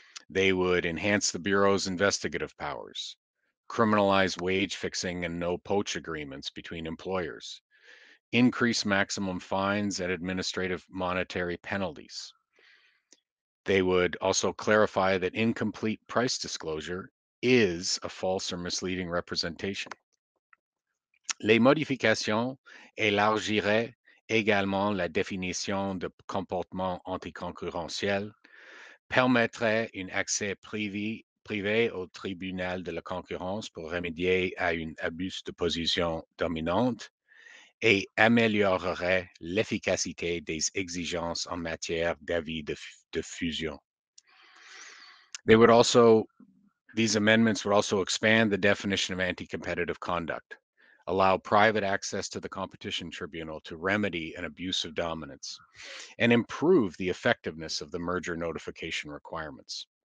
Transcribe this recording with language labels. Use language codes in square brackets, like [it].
[en] They would enhance the Bureau's investigative powers, criminalize wage fixing and no poach agreements between employers, increase maximum fines and administrative monetary penalties. They would also clarify that incomplete price disclosure is a false or misleading representation. [fr] Les modifications élargiraient également la définition de comportement anticoncurrentiel, permettraient un accès privé au tribunal de la concurrence pour remédier à un abus de position dominante, et améliorerait l'efficacité des exigences en matière d'avis de fusion. [en] These amendments would also expand the definition of anti-competitive conduct, allow private access to the competition tribunal to remedy an abuse of dominance, and improve the effectiveness of the merger notification requirements.